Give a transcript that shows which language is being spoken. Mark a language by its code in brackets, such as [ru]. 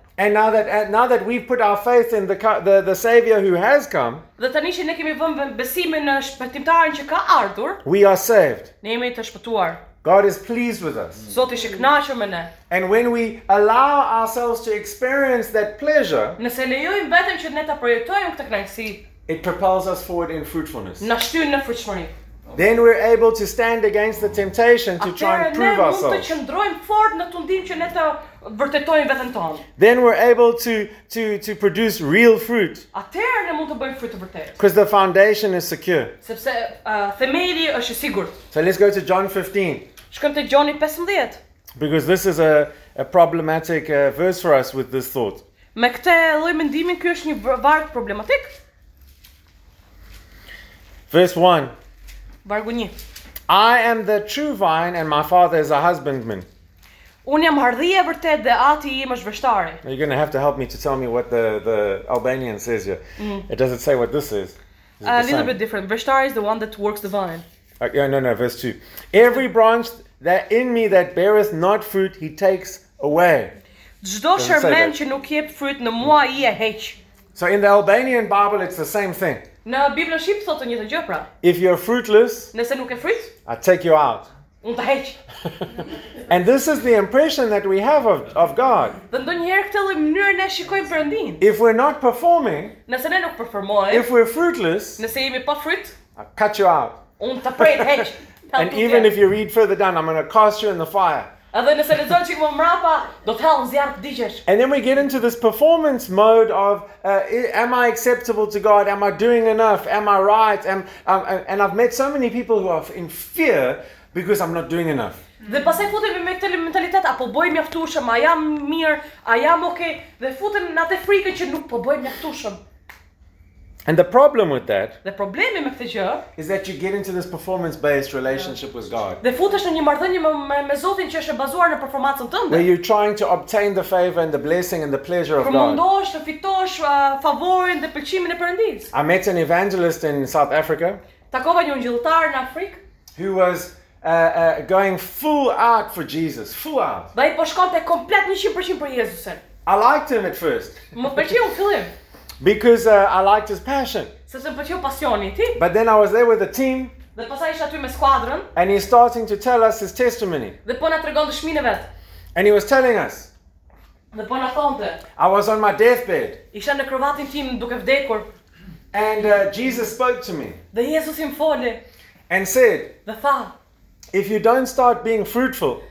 [en] And now that we've put our faith in the Savior who has come, [sq] dhe tani që ne kemi vënë besimin në shpëtimtarin që ka ardhur, [en] we are saved. [sq] Ne jemi të shpëtuar. [en] God is pleased with us. [sq] Zoti është I kënaqur me ne. [en] And when we allow ourselves to experience that pleasure, [sq] nëse lejojmë vetëm që ne ta projektojmë këtë kënaqësi, [en] it propels us forward in fruitfulness. [sq] Na shtyn në fruitshmëri. [en] Then we're able to stand against the temptation to try and prove ourselves. [sq] Atëherë ne mund të qëndrojmë fort në tundim që ne të vërtetojmë veten tonë. [en] Then we're able to produce real fruit. [sq] Atëherë ne mund të bëjmë frut të vërtetë. [en] Because the foundation is secure. [sq] Sepse themeli është I sigurt. [en] So let's go to John 15. [sq] Shkojmë te Gjoni 15. [en] Because this is a problematic verse for us with this thought. [sq] Me këtë lloj mendimi ky është një varg problematik. [en] Verse 1. [sq] Vargu 1. [en] I am the true vine and my father is a husbandman. [sq] Un jam hardhia vërtet dhe ati im është veshtari. [en] You're going to have to help me to tell me what the Albanian says here. Mm. It doesn't say what this is. A little bit different. Veshtari is the one that works the vine. No, verse 2. Every branch that in me that beareth not fruit, he takes away. [sq] Çdo sherment që nuk jep fryt në mua I e heq. [en] So in the Albanian Bible it's the same thing. [sq] Në Biblën Shqip thotë të njëjtën gjë pra. [en] If you're fruitless, [sq] nëse nuk e frit, [en] I take you out. [sq] Unë të heq. [en] And this is the impression that we have of God. [sq] Dhe ndonjëherë këtë lloj mënyre ne shikojmë Perëndin. [en] If we're not performing, [sq] nëse ne nuk performojmë. [en] If we're fruitless, [sq] nëse jemi pa frut, [en] I cut you out. [sq] Unë të prej të heq. [en] And even if you read further down, I'm going to cast you in the fire. [sq] Edhe nëse lexon çik më mbrapa, do të hall zjarr të digjesh. [en] And then we get into this performance mode of am I acceptable to God? Am I doing enough? Am I right? And I've met so many people who are in fear because I'm not doing enough. [sq] Dhe pastaj futemi me këtë mentalitet apo bëj mjaftueshëm, a jam mirë, a jam okay? Dhe futemi në atë frikë që nuk po bëj mjaftueshëm. [en] And the problem with that, [sq] the problemi me këtë gjë, [en] is that you get into this performance based relationship with God. [sq] Dhe futesh në një marrëdhënie me Zotin që është e bazuar në performancën tënde. [en] Where you're trying to obtain the favor and the blessing and the pleasure of God. [sq] Kur mundosh të fitosh favorin dhe pëlqimin e Perëndisë. [en] I met an evangelist in South Africa. [sq] Takova një ungjëlltar në Afrikë. [en] Who was going full out for Jesus, full out. [sq] Dhe po shkonte komplet 100% për Jezusin. [en] I liked him at first. [sq] Më pëlqeu në fillim. [en] Because I liked his passion. [sq] Sepse më pëlqeu pasioni I tij. [en] But then I was there with the team. [sq] Dhe pastaj isha aty me skuadrën. [en] And he's starting to tell us his testimony. [sq] Dhe po na tregon dëshminë e vet. [en] And he was telling us. [sq] Dhe po na thonte. [en] I was on my deathbed. [sq] Isha në krevatin tim duke vdekur. [en] And Jesus spoke to me. [sq] Dhe Jezus im foli. [en] And said. [sq] Dhe tha. [en] If you don't start being fruitful.